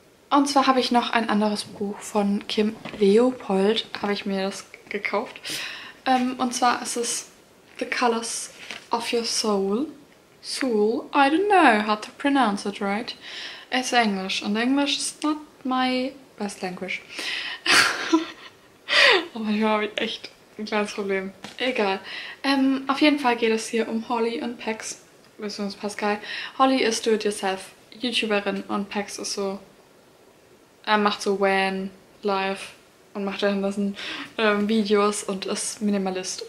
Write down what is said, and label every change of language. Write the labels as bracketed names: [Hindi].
[German] Und zwar habe ich noch ein anderes Buch von Kim Leopold. Habe ich mir das gekauft. Und zwar ist es The Colors of Your Soul. [English] Soul? I don't know how to pronounce it right. It's English. And English is not my best language. [German] Oh, manchmal habe ich echt ein kleines Problem. Egal. Auf jeden Fall geht es hier um Holly und Pex, beziehungsweise Pascal. Holly ist Do-It-Yourself-YouTuberin und Pex ist so... Er macht so Van Life und macht dann dessen Videos und ist Minimalist.